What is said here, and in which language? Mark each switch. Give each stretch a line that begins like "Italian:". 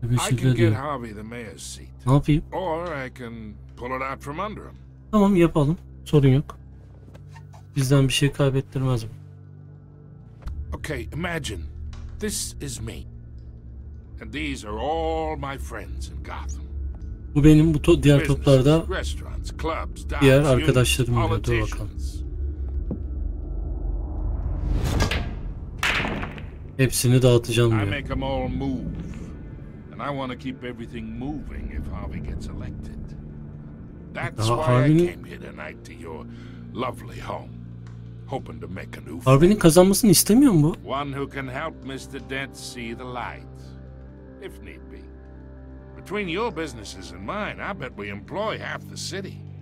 English: I can get Harvey the mayor's seat.
Turkish: Ne yapayım?
English: Or I can pull it out from under him.
Turkish: Tamam, yapalım. Sorun yok. Bizden bir şey kaybettirmez mi?
English: Okay, imagine. This is me. And these are all my friends in Gotham.
Turkish: Bu benim, bu diğer toplarda diğer arkadaşlarım diyor. Dur bakalım. Hepsini dağıtacağım diyor.
English: I make them all move. I want to keep everything moving if Harvey gets elected. That's why I came here tonight to your lovely home, hoping to make a new friend.
Turkish: Harvey'nin kazanmasını istemiyor mu?
English: One who can help Mr. Dent see the light, if need be. Between your businesses and mine, I bet we employ half the city.